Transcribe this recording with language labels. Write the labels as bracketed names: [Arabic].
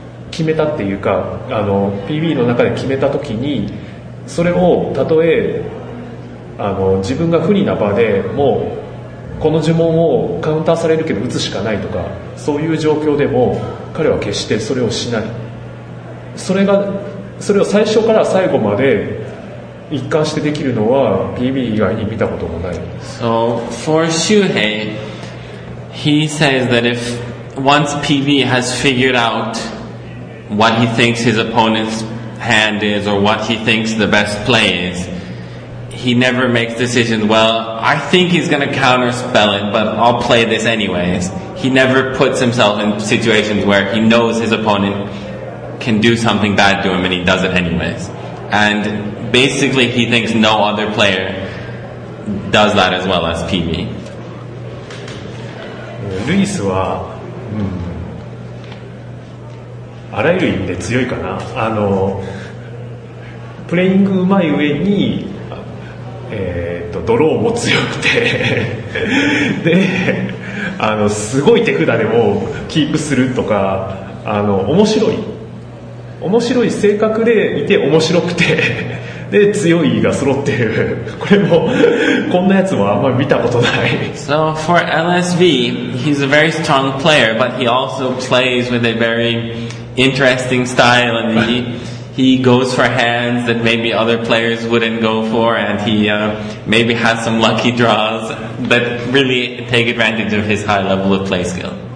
[Japanese] 決めたっていうかあの PB の中で決めた時にそれをたとえあの自分が不利な場でもうこの呪文をカウンターされるけど打つしかないとかそういう状況でも彼は決してそれをしない。それがそれを最初から最後まで一貫してできるのは PB 以外に見たこともない。 [English] So for Shuhei, he says that if once PB has figured out what he thinks his opponent's hand is or what he thinks the best play is, he never makes decisions, well, I think he's going to counterspell it, but I'll play this anyways. He never puts himself in situations where he knows his opponent can do something bad to him and he does it anyways. And basically, he thinks no other player does that as well as PB. [Japanese] ルイスは、あらゆる意味で強いかな。あの、プレイングうまい上に、ドローも強くてで、あの、すごい手札でもキープするとか、あの、面白い。面白い性格でいて面白くてで強いが揃ってる。これもこんなやつもあんまり見たことない。 [English] So for LSV, he's a very strong player, but he also plays with a very interesting style, and he goes for hands that maybe other players wouldn't go for, and he maybe has some lucky draws that really take advantage of his high level of play skill.